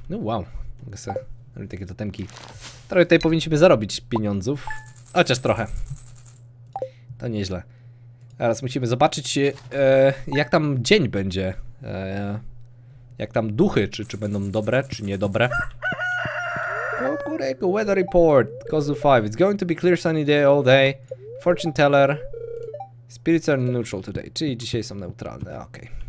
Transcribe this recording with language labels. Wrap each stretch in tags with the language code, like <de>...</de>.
<pl>No wow, mogę sobie robić takie totemki. Trochę tutaj powinniśmy zarobić pieniądzów, chociaż trochę. To nieźle. Teraz musimy zobaczyć, jak tam dzień będzie. Jak tam duchy, czy będą dobre, czy niedobre.</pl> <en>Oh kurek, weather report, Kozu 5. It's going to be clear sunny day all day. Fortune teller. Spirits are neutral today,</en> <pl>czyli dzisiaj są neutralne, okej.</pl>